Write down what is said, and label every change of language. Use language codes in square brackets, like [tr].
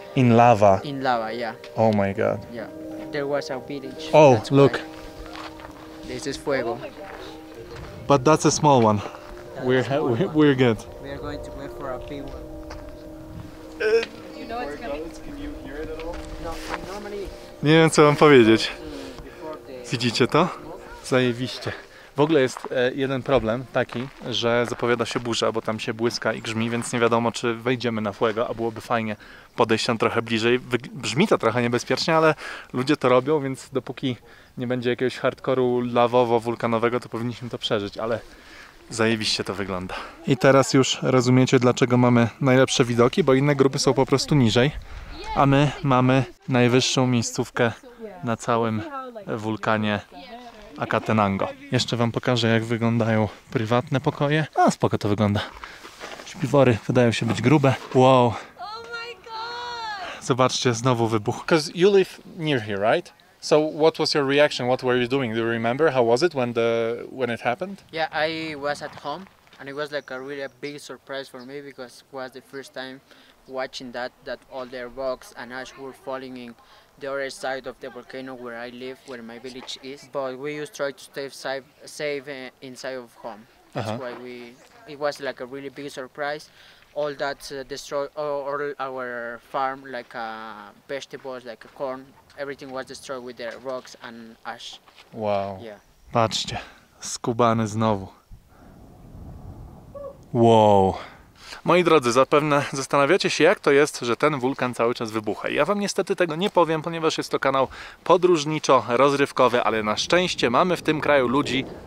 [en] in lava. In lava, yeah. Oh my God. Yeah. there was a village. Oh, that's look. Why. This is Fuego. But that's a small one. We're good. We are going to wait for a big one. You know it's coming? Can you hear it at all? No, normally... [pl] Nie wiem, co wam powiedzieć. Widzicie to? Zajebiście. W ogóle jest jeden problem taki, że zapowiada się burza, bo tam się błyska i grzmi, więc nie wiadomo, czy wejdziemy na Fuego, a byłoby fajnie podejść tam trochę bliżej. Brzmi to trochę niebezpiecznie, ale ludzie to robią, więc dopóki nie będzie jakiegoś hardkoru lawowo-wulkanowego, to powinniśmy to przeżyć, ale zajebiście to wygląda. I teraz już rozumiecie, dlaczego mamy najlepsze widoki, bo inne grupy są po prostu niżej, a my mamy najwyższą miejscówkę na całym wulkanie Acatenango. Jeszcze wam pokażę, jak wyglądają prywatne pokoje. A spoko to wygląda. Śpiwory wydają się być grube. Wow. [en] Oh my god. [pl] Zobaczcie, znowu wybuch. [en] Because you live near here, right? So what was your reaction? What were you doing? Do you remember? How was it when it happened? Yeah, I was at home and it was like a really big surprise for me because it was the first time watching that all their rocks and ash were falling in the other side of the volcano where I live, where my village is. But we used to try to stay safe inside of home. That's why it was like a really big surprise. All that destroyed all our farm, like vegetables, like corn, everything was destroyed with the rocks and ash. Wow. Yeah. [pl] Patrzcie, skubany znowu. Wow. Moi drodzy, zapewne zastanawiacie się, jak to jest, że ten wulkan cały czas wybucha. Ja wam niestety tego nie powiem, ponieważ jest to kanał podróżniczo-rozrywkowy, ale na szczęście mamy w tym kraju ludzi...